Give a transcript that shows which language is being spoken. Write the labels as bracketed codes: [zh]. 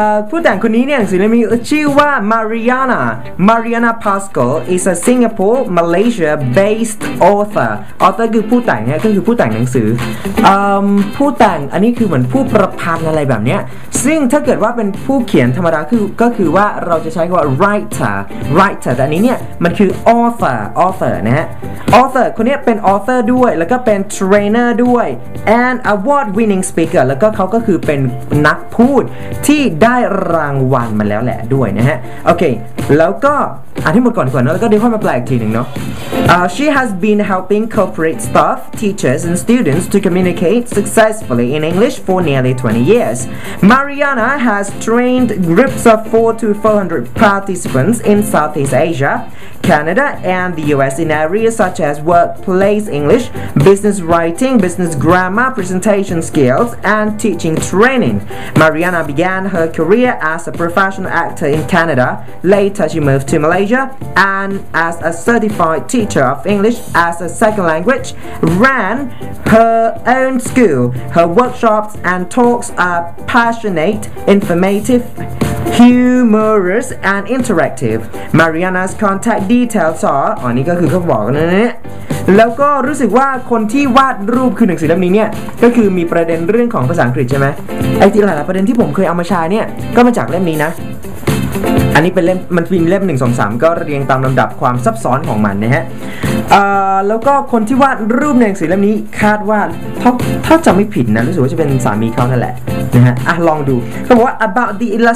[th] ผู้แต่งคนนี้เนี่ยหนังสือเล่มนี้ชื่อว่า [en] Mariana Pascal is a Singapore Malaysia based author [th] คือผู้แต่งเนี่ยก็คือผู้แต่งหนังสือผู้แต่งอันนี้คือเหมือนผู้ประพันธ์อะไรแบบเนี้ยซึ่งถ้าเกิดว่าเป็นผู้เขียนธรรมดาก็คือว่าเราจะใช้คำว่า writer แต่อันนี้เนี่ยมันคือ author นะฮะ author คนนี้เป็น author ด้วยแล้วก็เป็น trainer ด้วย [en] and award winning speaker [th] แล้วก็เขาก็คือเป็นนักพูดที่่ ได้รางวัลมาแล้วแหละด้วยนะฮะโอเคแล้วก็อ่านให้หมดก่อนนะแล้วก็เดี๋ยวค่อยมาแปลอีกทีนึงเนาะ [en] She has been helping corporate staff, teachers and students to communicate successfully in English for nearly 20 years. Mariana has trained groups of 400 to 400 participants in Southeast Asia, Canada and the US in areas such as workplace English, business writing, business grammar, presentation skills and teaching training. Mariana began her career as a professional actor in Canada. Later she moved to Malaysia and as a certified teacher of English as a second language, ran her own school. Her workshops and talks are passionate, informative, humorous and interactive. Mariana's contact details are [th] อันนี้ก็คือเขาบอกนะเนี่ยแล้วก็รู้สึกว่าคนที่วาดรูปคือหนังสือเล่มนี้เนี่ยก็คือมีประเด็นเรื่องของภาษาอังกฤษใช่ไหมไอ้ที่หลายประเด็นที่ผมเคยเอามาใช้เนี่ยก็มาจากเล่มนี้นะอันนี้เป็นเล่มมันมีเล่ม 1 2 3ก็เรียงตามลำดับความซับซ้อนของมันนะฮะแล้วก็คนที่วาดรูปในหนังสือเล่มนี้คาดว่าถ้าจำไม่ผิดนะรู้สึกว่าจะเป็นสามีเขานั่นแหละนะฮะอ่ะลองดูเขาบอกว่า [en] about the